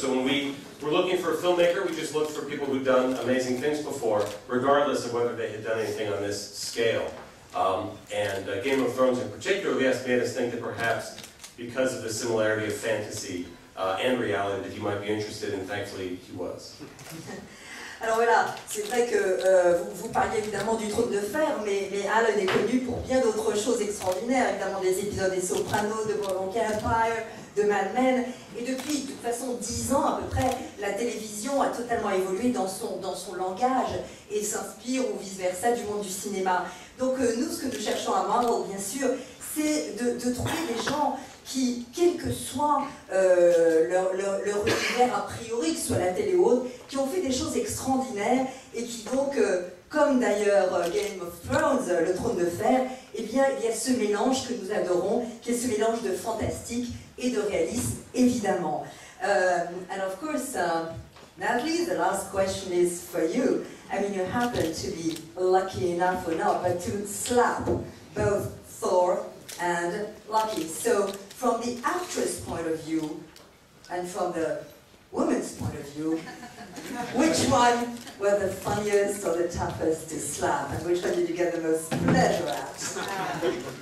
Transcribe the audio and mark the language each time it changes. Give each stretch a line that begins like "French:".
English: So when we were looking for a filmmaker, we just looked for people who'd done amazing things before, regardless of whether they had done anything on this scale. And Game of Thrones in particular, yes, made us think that perhaps because of the similarity of fantasy and reality that he might be interested in, thankfully he was.
French: Alors voilà, c'est vrai que vous parliez évidemment du Trône de Fer, mais Alan est connu pour bien d'autres choses extraordinaires, évidemment des épisodes des Sopranos, de Boardwalk Empire, de Mad Men. Et depuis, de toute façon, 10 ans à peu près, la télévision a totalement évolué dans son langage et s'inspire ou vice-versa du monde du cinéma. Donc nous, ce que nous cherchons à Marvel, bien sûr, c'est de trouver des gens qui, quel que soit leur univers a priori, que ce soit la télé ou autre, qui ont fait des choses extraordinaires et qui donc, comme d'ailleurs Game of Thrones, le Trône de Fer, eh bien, il y a ce mélange que nous adorons, qui est ce mélange de fantastique et de réalisme, évidemment.
English: And of course, Natalie, the last question is for you. I mean, you happen to be lucky enough or not, but to slap both Thor and Loki. So, from the actress point of view, and from the woman's point of view, which one were the funniest or the toughest to slap, and which one did you get the most pleasure at?